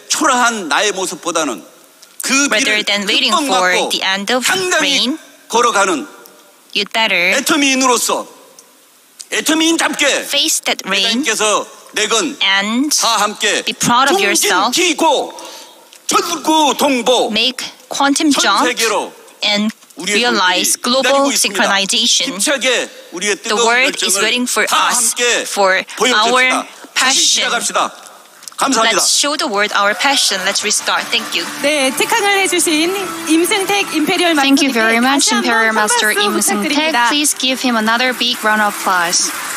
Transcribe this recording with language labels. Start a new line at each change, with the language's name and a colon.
Korean: 초라한 나의 모습보다는 그
English: Rather than waiting for the end of rain,
Korean: 걸어가는
English: you'd better
Korean: Atomy인으로서, Atomy인답게
English: face that rain
Korean: 내건
English: and
Korean: 다 함께
English: be proud of yourself, 기고, 전구 동보, make quantum jump and realize global synchronization. The world is waiting for us, for our passion.
Korean: 감사합니다.
English: Let's show the world our passion. Let's restart. Thank you.
Korean: 네, 특강을 해주신 임승택 임페리얼
English: Thank you very much, Imperial Master Lim Seung Taek. Please give him another big round of applause.